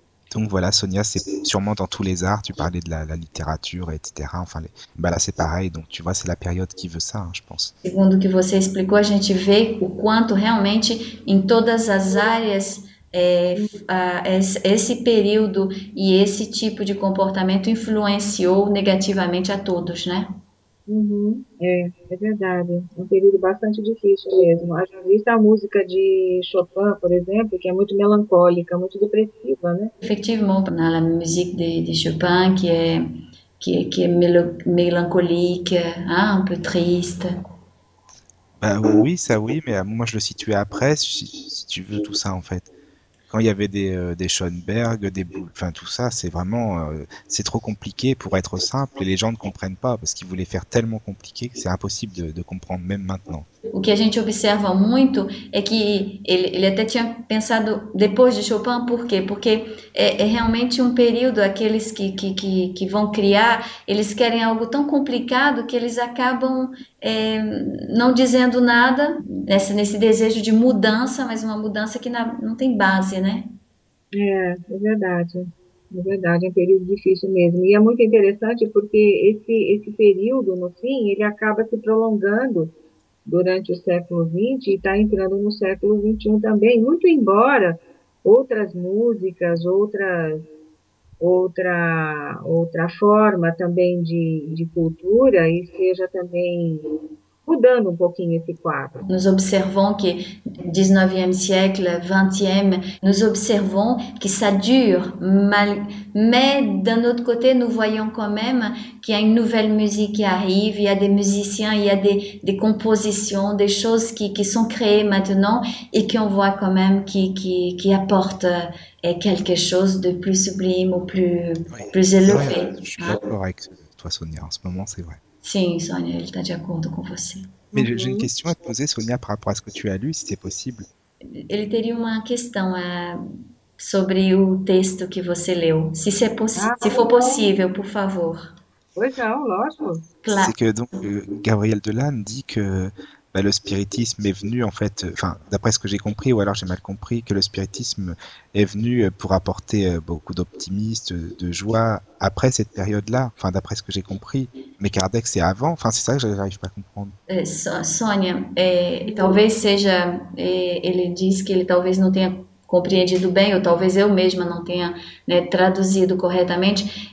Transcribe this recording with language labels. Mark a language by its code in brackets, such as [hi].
[fr] Donc voilà, Sonia, c'est sûrement dans tous les arts, tu parlais de la littérature, etc. Enfin, ben là, c'est pareil, donc tu vois, c'est la période qui veut ça, hein, je pense. [pt] Segundo o que você explicou, a gente vê o quanto realmente em todas as áreas esse período e esse tipo de comportamento influenciou negativamente a todos, né? É verdade. Um período bastante difícil mesmo. Haja vista a música de Chopin, por exemplo, que é muito melancólica, muito depressiva, né? [fr] Effectivement, [pt] na [fr] musique de Chopin, [pt] que é [fr] melancolique, [pt] um [fr] peu triste. Bah, oui, ça oui, mais moi je le situais après, si tu veux, tout ça en fait. Quand il y avait des Schoenberg, des Boulez, enfin tout ça, c'est vraiment, c'est trop compliqué pour être simple et les gens ne comprennent pas parce qu'ils voulaient faire tellement compliqué que c'est impossible de comprendre même maintenant. [pt] O que a gente observa muito é que ele até tinha pensado depois de Chopin, por quê? Porque é realmente um período, aqueles que vão criar, eles querem algo tão complicado que eles acabam não dizendo nada nesse desejo de mudança, mas uma mudança que não tem base, né? É verdade, é verdade, é um período difícil mesmo. E é muito interessante porque esse período, no fim, ele acaba se prolongando durante o século XX e está entrando no século XXI também, muito embora outras músicas, outra forma também de cultura esteja também mudando um pouquinho esse quadro. [fr] Nous observons que 19e siècle, 20e, nous observons que ça dure, mais d'un autre côté, nous voyons quand même qu'il y a une nouvelle musique qui arrive, il y a des musiciens, il y a des compositions, des choses qui sont créées maintenant et qu'on voit quand même qui apportent quelque chose de plus sublime ou plus Ah ouais, élevé. je suis d'accord avec toi, Sonia. En ce moment, c'est vrai. [pt] Sim, [fr] Sonia, il est d'accord avec vous. Mais j'ai une question à te poser, Sonia, par rapport à ce que tu as lu, si c'est possible. [pt] Ele teria uma questão sobre o texto que você leu. Ah, Se for possível, por favor. pois não, lógico. [fr] C'est que donc Gabriel Delanne dit que bah, le spiritisme est venu, en fait, enfin, d'après ce que j'ai compris, ou alors j'ai mal compris, que le spiritisme est venu pour apporter beaucoup d'optimisme, de joie après cette période-là, enfin, d'après ce que j'ai compris. Mais Kardec, c'est avant, enfin, c'est ça que j'arrive pas à comprendre. [pt] Sônia, talvez seja, ele disse que ele talvez não tenha compreendido bem, ou talvez eu mesma não tenha, né, traduzido corretamente.